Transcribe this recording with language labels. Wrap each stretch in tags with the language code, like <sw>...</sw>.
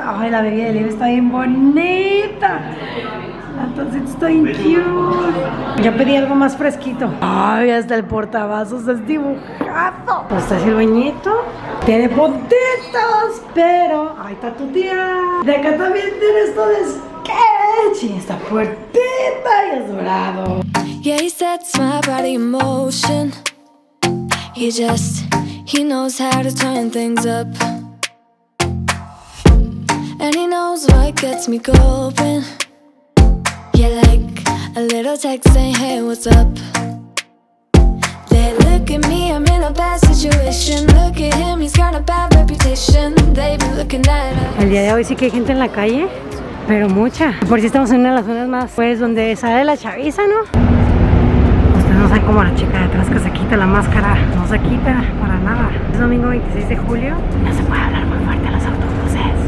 <es>Ay, la bebida de Liv está bien bonita. La tosita está bien cute. Yo pedí algo más fresquito. Ay, hasta el portavasos es dibujado. Pues está el bañito. Tiene puntitos. Pero ahí está tu tía. De acá también tiene esto de sketch. Y está fuertita y es dorado.</es> <en>Yeah, he sets my body in motion. He knows how to turn things up. And he knows what gets me going. Yeah, like a little text saying, hey, what's up? They look at me, I'm in a bad situation. Look at him, he's got a bad reputation. They be looking at us.</en> <es>El día de hoy sí que hay gente en la calle, pero mucha. Por si estamos en una de las zonas más, pues, donde sale la chaviza, ¿no? Ustedes no saben cómo la chica de atrás que se quita la máscara. No se quita para nada. Es domingo 26 de julio. No se puede hablar muy fuerte a los autobuses.</es>